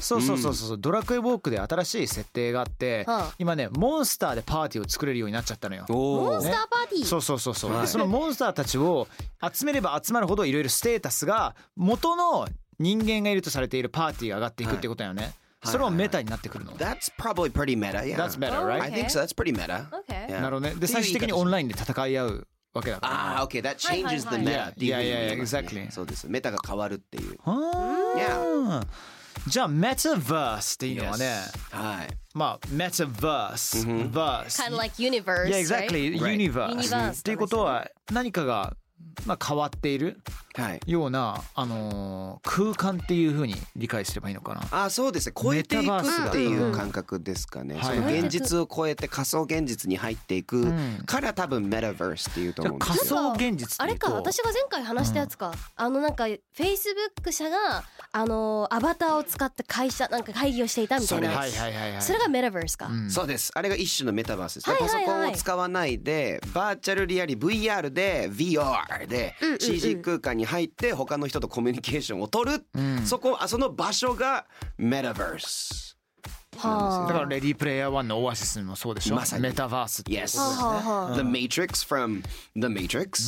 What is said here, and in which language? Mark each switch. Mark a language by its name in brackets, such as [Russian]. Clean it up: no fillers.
[Japanese] そうそうそうそう、ドラクエウォークで新しい設定があって、はあ、今ねモンスターでパーティーを作れるようになっちゃったのよ。お、ね、モンスターパーティー。そうそうそうそう、はい、そのモンスターたちを集めれば集まるほどいろいろステータスが、元の人間がいるとされているパーティーが上がっていくってことだよね、はい、それはメタになってくるの。 [English] That's probably pretty meta, yeah. That's meta, right? Okay. I think so, that's pretty meta. Okay. [Japanese] なるほどね。で、最終的にオンラインで戦い合うわけだから。 [English] ah, okay, that changes the meta. Yeah, yeah, yeah, exactly. [Japanese] そうです。メタが変わるっていう。はぁー。 [English] Yeah. [Japanese] じゃあ、metaverse っていうのはね。はい。まあ、metaverse、verse。 [English] Kind of like universe, right? Yeah, exactly, universe. [Japanese] っていうことは、何かが、まあ、変わっているような、はい、空間っていう風に理解すればいいのかな。あ、そうですね、超えていくっていう感覚ですかね、うん、その現実を超えて仮想現実に入っていくから多分メタバースっていうと思うんですよ。仮想現実って言うとあれか、私が前回話したやつか、うん、あのなんか Facebook 社がアバターを使って会社なんか会議をしていたみたいな。それ、はいはいはいはい、それがメタバースか、うん、そうです、あれが一種のメタバースです、はいはいはい、パソコンを使わないでバーチャルリアリ VR で VRで CG 空間に入って他の人とコミュニケーションを取る、うん、そこ、あ、その場所がメタバース、はあ、だからレディープレイヤー1のオアシスもそうでしょ、まさにメタバースって、 [English] yes. はあはあ、The Matrix from The Matrix